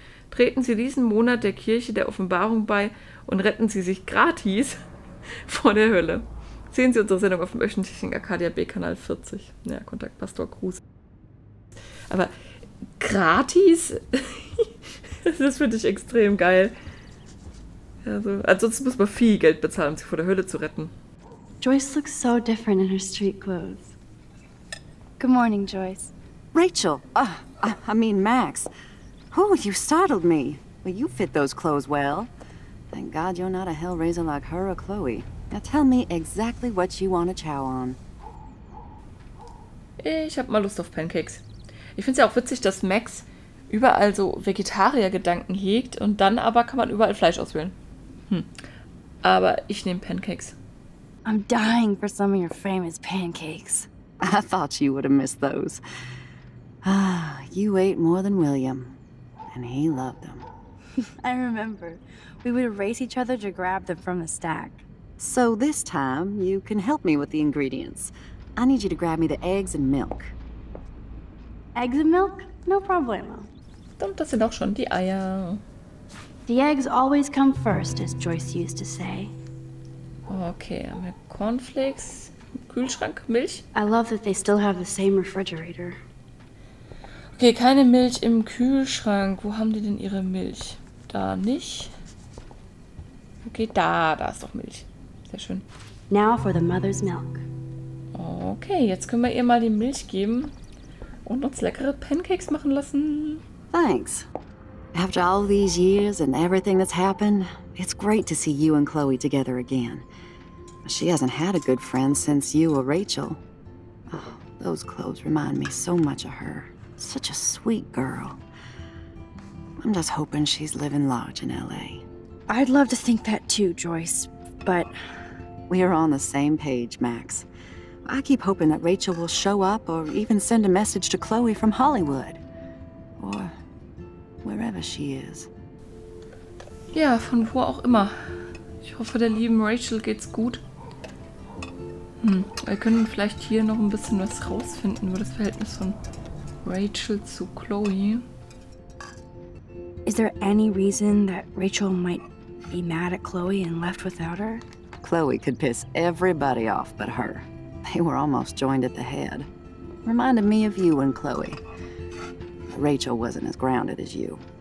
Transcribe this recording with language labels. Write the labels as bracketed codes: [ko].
[de] Treten Sie diesen Monat der Kirche der Offenbarung bei und retten Sie sich gratis vor der Hölle. Sehen Sie unsere Sendung auf dem öffentlichen Arcadia B-Kanal 40. Ja, Kontakt Pastor Gruß. Aber gratis? Das finde ich extrem geil. Also, ansonsten muss man viel Geld bezahlen, um sie vor der Hölle zu retten. [en] Joyce looks so different in her street clothes. Good morning, Joyce. Rachel. Max. Oh, you startled me. Well, you fit those clothes well. Thank God you're not a hellraiser like her or Chloe. Now tell me exactly what you want to chow on. [de] Ich hab mal Lust auf Pancakes. Ich find's ja auch witzig, dass Max überall so Vegetariergedanken hegt und dann aber kann man überall Fleisch auswählen. Aber ich nehme Pancakes. [en] I'm dying for some of your famous pancakes. I thought you would have missed those. Ah, you ate more than William, and he loved them. I remember. We would race each other to grab them from the stack. So this time, you can help me with the ingredients. I need you to grab me the eggs and milk. Eggs and milk? No problemo. [de] Stimmt, das sind auch schon die Eier. [en] The eggs always come first, as Joyce used to say. [de] Okay, mit Cornflakes. Kühlschrank, Milch. [en] I love that they still have the same refrigerator. [de] Okay, keine Milch im Kühlschrank. Wo haben die denn ihre Milch? Da nicht. Okay, da ist doch Milch. Sehr schön. [en] Now for the mother's milk. [de] Okay, jetzt können wir ihr mal die Milch geben und uns leckere Pancakes machen lassen. [en] Thanks. After all these years and everything that's happened, it's great to see you and Chloe together again. She hasn't had a good friend since you or Rachel. Oh, Those clothes remind me so much of her. Such a sweet girl. I'm just hoping she's living large in L.A. I'd love to think that too, Joyce, but... We are on the same page, Max. I keep hoping that Rachel will show up or even send a message to Chloe from Hollywood. Or wherever she is. [de] Ja, von wo auch immer. Ich hoffe, der lieben Rachel geht's gut. Wir können vielleicht hier noch ein bisschen was rausfinden über das Verhältnis von Rachel zu Chloe. [en] Is there any reason that Rachel might be mad at Chloe and left without her? Chloe could piss everybody off but her. They were almost joined at the head. Reminded me of you and Chloe. Rachel wasn't as grounded as you.